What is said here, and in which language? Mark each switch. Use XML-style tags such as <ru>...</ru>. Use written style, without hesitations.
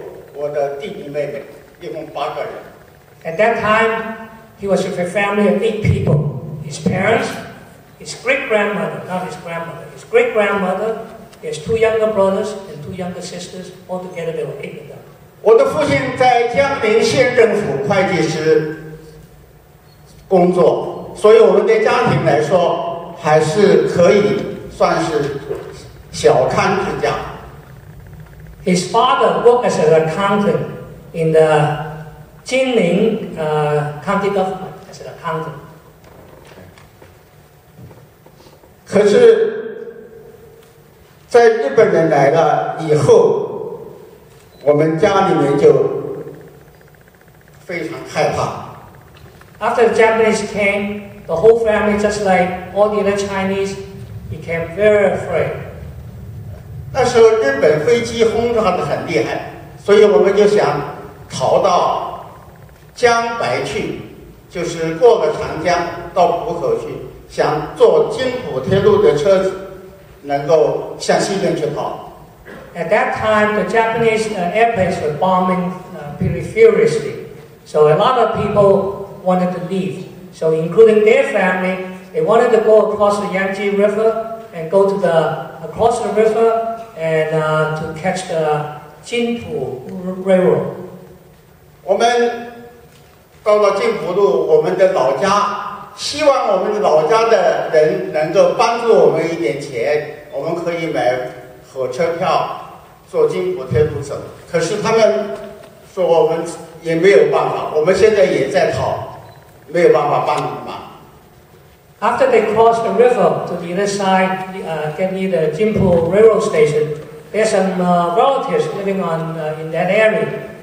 <zh>我父母，我的太祖80岁，还有我的弟弟妹妹，一共八个人。</zh> <en>At that time, he was with a family of 8 people: his parents, his great grandmother—not his grandmother—his great grandmother, his 2 younger brothers and 2 younger sisters. Altogether, there were 8 of them.</en> <zh>我的父亲在江宁县政府会计师工作，所以我们的家庭来说还是可以算是小康之家。</zh> <en>His father worked as an accountant in the 金陵county government as an accountant.</en> <zh>可是在日本人来了以后，我们家里面就非常害怕。</zh> <en>After the Japanese came, the whole family, just like all the other Chinese, became very afraid.</en> <zh>那时候日本飞机轰炸得很厉害，所以我们就想逃到江白去，就是过个长江到浦口去，想坐京浦铁路的车子能够向西边去跑。</zh> <en>At that time, the Japanese airplanes were bombing pretty furiously. So a lot of people wanted to leave. So including their family, they wanted to go across the Yangtze River and go to the, across the river and to catch the Jinpu Railroad.</en> <zh>我们到了金浦路，我们的老家，希望我们老家的人能够帮助我们一点钱，我们可以买火车票坐金浦铁路走，可是他们说我们也没有办法，我们现在也在逃，没有办法帮你们。</zh> <en>After they crossed the river to the other side, get near the Jinpu Railroad Station, there's some relatives living on in that area.</en>